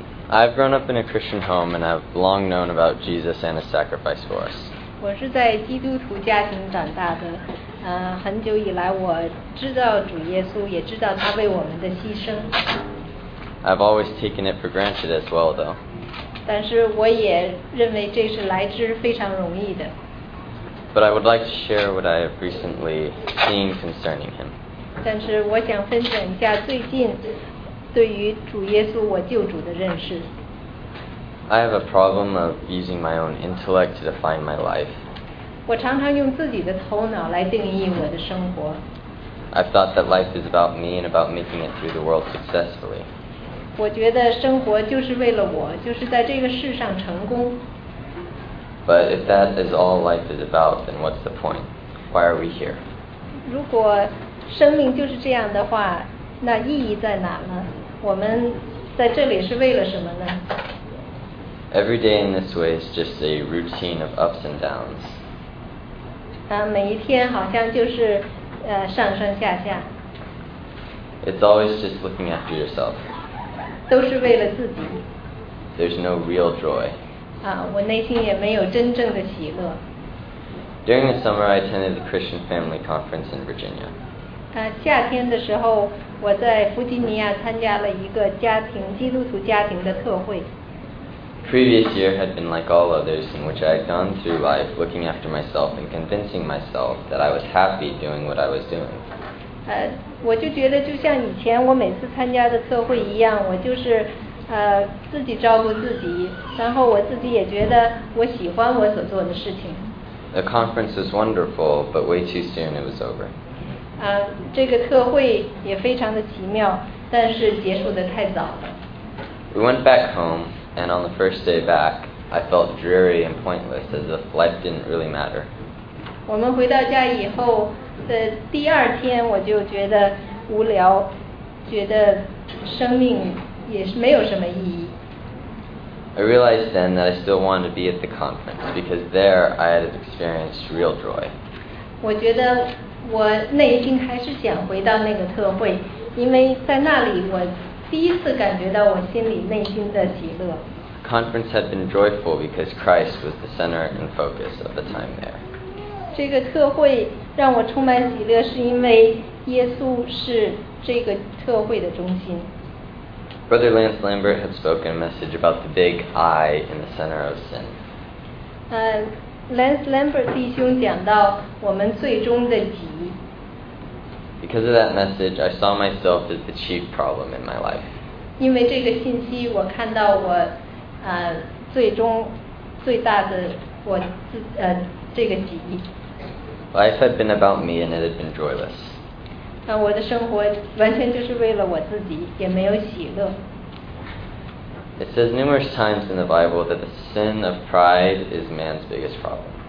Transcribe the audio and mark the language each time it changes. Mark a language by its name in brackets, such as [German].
[English] I've grown up in a Christian home and I've long known about Jesus and his sacrifice for us. [Chinese] 我是在基督徒家庭长大的，很久以来我知道主耶稣，也知道他为我们的牺牲。 [English] I've always taken it for granted as well, though. [Chinese] 但是我也认为这是来之非常容易的。 [English] But I would like to share what I have recently seen concerning him. [Chinese] 但是我想分享一下最近对于主耶稣我救主的认识。 [English] I have a problem of using my own intellect to define my life. [Chinese] 我常常用自己的头脑来定义我的生活。 [English] I've thought that life is about me and about making it through the world successfully. [Chinese] 我觉得生活就是为了我，就是在这个世上成功。 [English] But if that is all life is about, then what's the point? Why are we here? [Chinese] 如果生命就是这样的话，那意义在哪呢？我们在这里是为了什么呢？ [English] Every day in this way is just a routine of ups and downs. [Chinese] 每一天好像就是上上下下。 [English] It's always just looking after yourself. [Chinese] 都是为了自己。 [English] There's no real joy. [Chinese] 我内心也没有真正的喜乐。 [English] During the summer, I attended the Christian Family Conference in Virginia. [Chinese] 夏天的时候我在弗吉尼亚参加了一个家庭基督徒家庭的特会。 [English] Previous year had been like all others in which I had gone through life looking after myself and convincing myself that I was happy doing what I was doing. [Chinese] 我就觉得就像以前我每次参加的特会一样，我就是自己照顾自己，然后我自己也觉得我喜欢我所做的事情。 [English] The conference was wonderful, but way too soon it was over. [Chinese] 这个特会也非常的奇妙，但是结束的太早了。 [English] We went back home, and on the first day back, I felt dreary and pointless, as if life didn't really matter. [Chinese] 我们回到家以后的第二天，我就觉得无聊，觉得生命也是没有什么意义。 [English] I realized then that I still wanted to be at the conference, because there I had experienced real joy. [Chinese] 我觉得我内心还是想回到那个特会，因为在那里我第一次感觉到我心里内心的喜乐。 [English] Conference had been joyful because Christ was the center and focus of the time there. [Chinese] 这个特会让我充满喜乐，是因为耶稣是这个特会的中心。 [English] Brother Lance Lambert had spoken a message about the big I in the center of sin. [Chinese] Lance Lambert 弟兄讲到我们最终的己。 [English] Because of that message, I saw myself as the chief problem in my life. [Chinese] 因为这个信息，我看到我最终最大的我这个己。 [English] Life had been about me and it had been joyless. [Chinese] 我的生活完全就是为了我自己，也没有喜乐。 [English] It says numerous times in the Bible that the sin of pride is man's biggest problem.